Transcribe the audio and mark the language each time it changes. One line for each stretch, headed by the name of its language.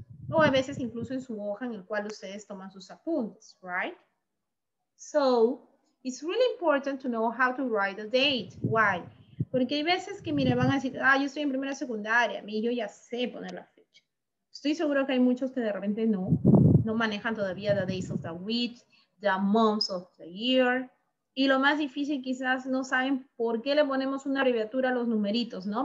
Spanish: O a veces incluso en su hoja en el cual ustedes toman sus apuntes, right?
English: So, it's really important to know how to write a date. Why?
Spanish: Porque hay veces que, mire, van a decir, ah, yo estoy en primera secundaria, a mí yo ya sé poner la fecha. Estoy seguro que hay muchos que de repente no manejan todavía
English: the days of the week, the months of the year.
Spanish: Y lo más difícil, quizás no saben por qué le ponemos una abreviatura a los numeritos, ¿no?